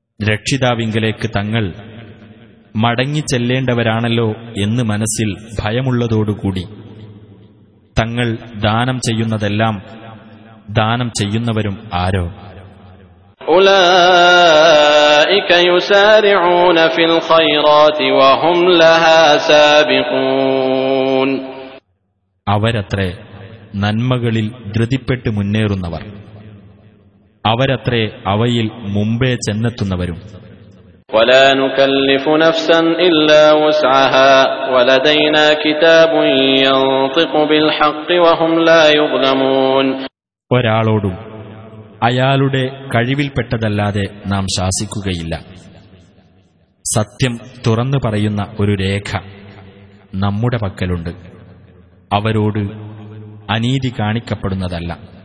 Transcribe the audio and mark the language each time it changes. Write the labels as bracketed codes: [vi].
[ml] രക്ഷിതാവിങ്കലേക്ക് തങ്ങൾ മടങ്ങി ചെല്ലേണ്ടവരാണല്ലോ എന്ന് മനസ്സിൽ ഭയമുള്ളതോടുകൂടി തങ്ങൾ ദാനം ചെയ്യുന്നതെല്ലാം ദാനം ചെയ്യുന്നവരും ആരോ? [ar] أولئك يسارعون في الخيرات وهم لها سابقون [ml] അവരത്രേ നന്മകളിൽ ധൃതിപ്പെട്ട് മുന്നേറുന്നവർ. അവരത്രേ അവയിൽ മുമ്പേ ചെന്നെത്തുന്നവരും. [ar] ولا نكلف نفسا إلا وسعها ولدينا كتاب ينطق بالحق وهم لا يظلمون [ml] ഒരാളോടും അയാളുടെ കഴിവിൽപ്പെട്ടതല്ലാതെ നാം ശാസിക്കുകയില്ല. സത്യം തുറന്നു പറയുന്ന ഒരു രേഖ നമ്മുടെ പക്കലുണ്ട്. അവരോട് അനീതി കാണിക്കപ്പെടുന്നതല്ല.